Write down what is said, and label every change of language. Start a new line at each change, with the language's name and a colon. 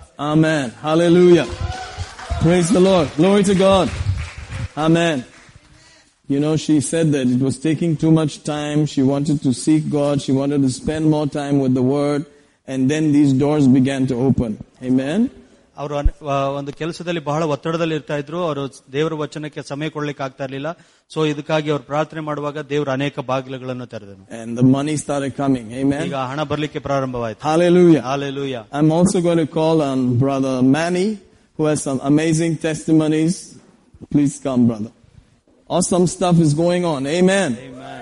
English: Amen. Hallelujah. Praise the Lord. Glory to God. Amen. You know, she said that it was taking too much time. She wanted to seek God. She wanted to spend more time with the Word. And then these doors began to open. Amen.
Kannada: ಅವರು ಒಂದು ಕೆಲಸದಲ್ಲಿ ಬಹಳ ಒತ್ತಡದಲ್ಲಿ ಇರ್ತಾ ಇದ್ರು. ಅವರು ದೇವರ ವಚನಕ್ಕೆ ಸಮಯ ಕೊಡ್ಲಿಕ್ಕೆ ಆಗ್ತಾ ಇರಲಿಲ್ಲ. ಸೊ ಇದಕ್ಕಾಗಿ ಅವರು ಪ್ರಾರ್ಥನೆ ಮಾಡುವಾಗ ದೇವರು ಅನೇಕ ಬಾಗಿಲುಗಳನ್ನು ತೆರೆದನು.
English: And the money started coming. Amen.
Kannada: ಈಗ ಹಣ ಬರಲಿಕ್ಕೆ ಪ್ರಾರಂಭವಾಯಿತು.
English: Hallelujah. Hallelujah. I'm also going to call on brother Manny, who has some amazing testimonies. Please come, brother. Awesome stuff is going on. Amen. Amen.